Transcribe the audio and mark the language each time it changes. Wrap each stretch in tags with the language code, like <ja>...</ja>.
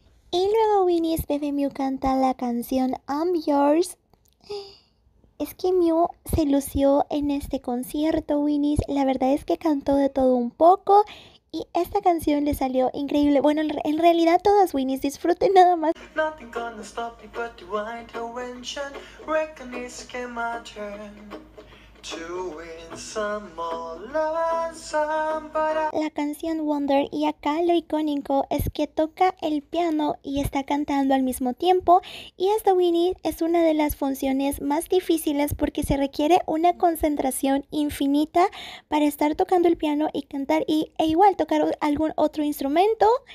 <es>Y luego Winnie's bebé Mew canta la canción I'm Yours. Es que Mew se lució en este concierto, Winnie's. La verdad es que cantó de todo un poco y esta canción le salió increíble. Bueno, en realidad todas, Winnie's, disfruten nada más.</es> <en>Nothing gonna stop me but divine intervention. Reckon it's my turn to win some more love and some, but I...</en> <es>La canción Wonder, y acá lo icónico es que toca el piano y está cantando al mismo tiempo. Y esta, Winnie, es una de las funciones más difíciles porque se requiere una concentración infinita para estar tocando el piano y cantar e igual tocar algún otro instrumento.</es>